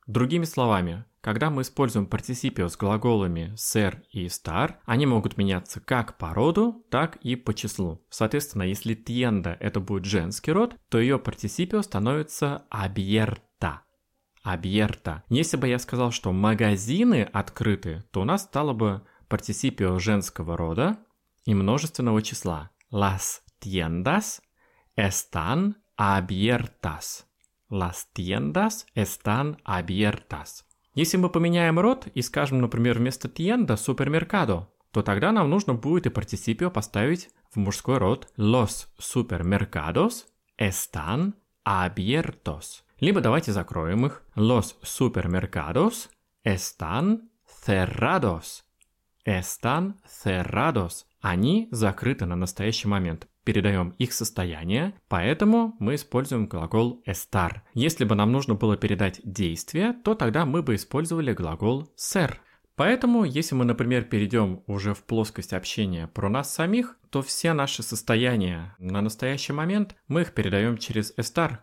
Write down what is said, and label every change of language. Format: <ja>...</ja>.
<ru>Другими словами, когда мы используем participio с глаголами ser и estar, они могут меняться как по роду, так и по числу. Соответственно, если tienda — это будет женский род, то ее participio становится abierta.</ru> <es>Abierta.</es> <ru>Если бы я сказал, что магазины открыты, то у нас стало бы participio женского рода и множественного числа.</ru> <es>Las tiendas están abiertas. Las tiendas están abiertas.</es> <ru>Если мы поменяем род и скажем, например, вместо tienda supermercado, то тогда нам нужно будет и participio поставить в мужской род.</ru> <es>Los supermercados están abiertos.</es> <ru>Либо давайте закроем их.</ru> <es>Los supermercados están cerrados. Están cerrados.</es> <ru>Они закрыты на настоящий момент. Передаем их состояние, поэтому мы используем глагол estar. Если бы нам нужно было передать действие, то тогда мы бы использовали глагол ser. Поэтому, если мы, например, перейдем уже в плоскость общения про нас самих, то все наши состояния на настоящий момент мы их передаем через estar.</ru>